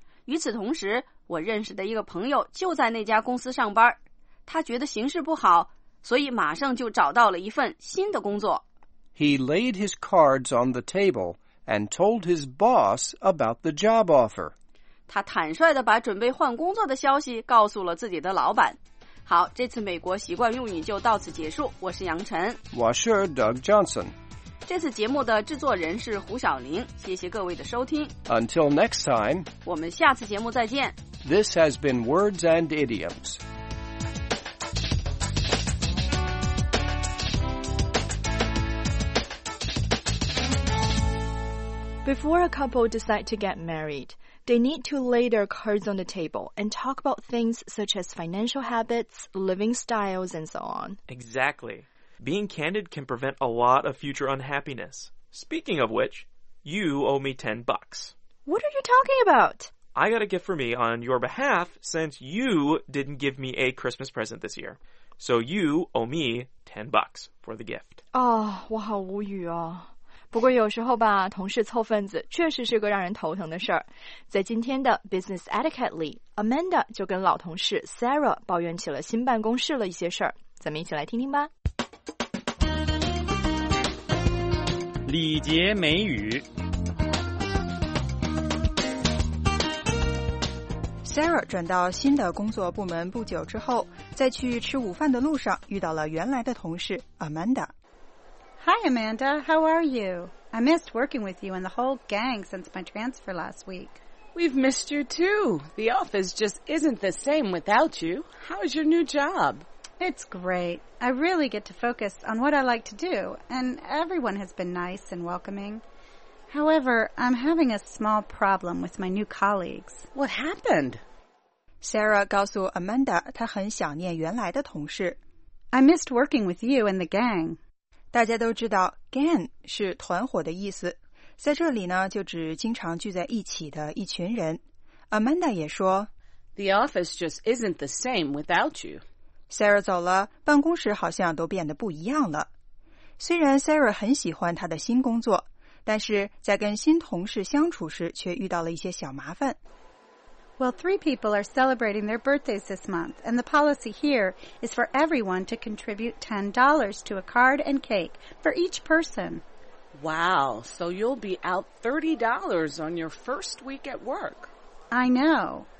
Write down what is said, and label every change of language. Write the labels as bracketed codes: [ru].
[zh] 与此同时，我认识的一个朋友就在那家公司上班，他觉得形势不好，所以马上就找到了一份新的工作。 [en] He laid his cards on the table and told his boss about the job offer. [zh] 他坦率地把准备换工作的消息告诉了自己的老板。好，这次美国习惯用语就到此结束，我是杨晨。我是 Doug Johnson。这次节目的制作人是胡晓玲，谢谢各位的收听。 [en] Until next time, [zh] 我们下次节目再见。 [en] This has been Words and Idioms. Before a couple decide to get married, they need to lay their cards on the table and talk about things such as financial habits, living styles, and so on. Exactly. Being candid can prevent a lot of future unhappiness. Speaking of which, you owe me $10. What are you talking about? I got a gift for me on your behalf since you didn't give me a Christmas present this year. So you owe me $10 for the gift. [zh] Oh, 我好无语哦。不过有时候吧，同事凑份子确实是个让人头疼的事儿。在今天的 Business Etiquette 里， Amanda 就跟老同事 Sarah 抱怨起了新办公室的一些事儿。咱们一起来听听吧。礼节美语。 Sarah 转到新的工作部门不久之后，在去吃午饭的路上遇到了原来的同事 Amanda。 [en] Hi Amanda, how are you? I missed working with you and the whole gang since my transfer last week. We've missed you too. The office just isn't the same without you. How's your new job? It's great. I really get to focus on what I like to do, and everyone has been nice and welcoming. However, I'm having a small problem with my new colleagues. What happened? [zh] Sarah 告诉 Amanda 她很想念原来的同事。 [en] I missed working with you and the gang. [zh] 大家都知道 gang 是团伙的意思，在这里呢就指经常聚在一起的一群人。 Amanda 也说 [en] The office just isn't the same without you. [zh] Sarah 走了，办公室好像都变得不一样了。虽然 Sarah 很喜欢她的新工作，但是在跟新同事相处时却遇到了一些小麻烦。 [en] Well, three people are celebrating their birthdays this month, and the policy here is for everyone to contribute $10 to a card and cake for each person. Wow, so you'll be out $30 on your first week at work. I know.